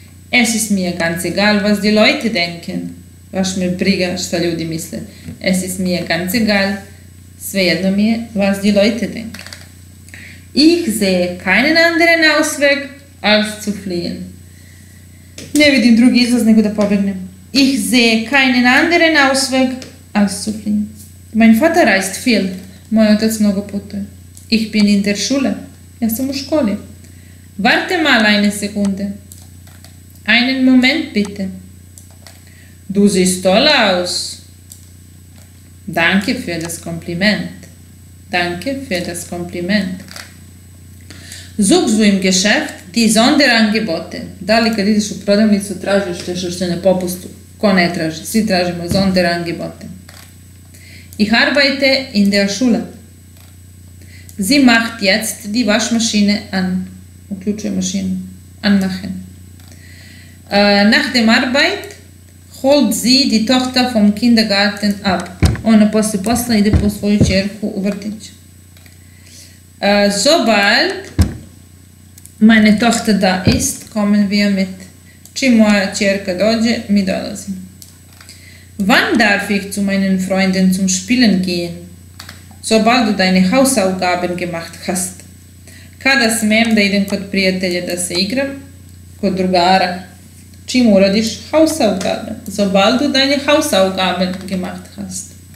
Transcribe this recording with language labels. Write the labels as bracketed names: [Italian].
[German] Es ist mir ganz egal, was die Leute denken. [Serbian] Baš me briga šta ljudi misle. [German] Es ist mir ganz egal, [Serbian] svejedno mi je, [German] was die Leute denken. Ich sehe keinen anderen Ausweg, als zu fliehen. [Serbian] Ne vidim drugi izlaz nego da pobegnem. [German] Ich sehe keinen anderen Ausweg, als zu fliehen. Mein Vater reist viel. [Serbian] Moj otac mnogo putuje. Ich bin in der Schule. Ja sam u školi. [German] Warte mal eine Sekunde. Einen Moment bitte. Du siehst toll aus. Danke für das Kompliment. Danke für das Kompliment. Suchst du im Geschäft die Sonderangebote? [Serbian] Da li kad ideš u prodavnicu tražiš nešto što je na popustu? Ko ne traži? Svi tražimo Sonderangebote. [German] Ich arbeite in der Schule. Sie macht jetzt die Waschmaschine an. [Serbian] Uključuje mašinu. Anmachen. [German] Nach dem Arbeit holt sie die Tochter vom Kindergarten ab. [Serbian] Ona posle posla ide po svoju čerku u vrtić. [German] Sobald meine Tochter da ist, kommen wir mit. [Serbian] Čim moja čerka dođe, mi dolazim. [German] Wann darf ich zu meinen Freunden zum Spielen gehen? Sobald du deine Hausaufgaben gemacht hast. [Serbian] Kada smem da idem kod prijatelja da se igram? Kod drugara. Čim uradiš [German] Hausaufgaben? Sobald du deine Hausaufgaben gemacht hast.